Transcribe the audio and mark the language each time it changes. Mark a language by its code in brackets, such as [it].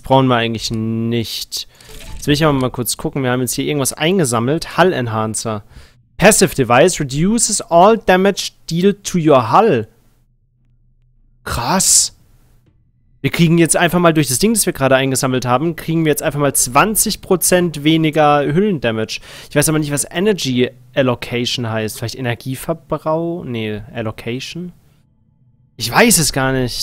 [de] Brauchen wir eigentlich nicht. Jetzt will ich aber mal kurz gucken. Wir haben jetzt hier irgendwas eingesammelt. [en] Hull Enhancer. Passive Device reduces all damage dealt to your Hull. [de] Krass. Wir kriegen jetzt einfach mal durch das Ding, das wir gerade eingesammelt haben, kriegen wir jetzt einfach mal 20% weniger Hüllendamage. Ich weiß aber nicht, was Energy Allocation heißt. Vielleicht Energieverbrauch? Nee, Allocation? Ich weiß es gar nicht.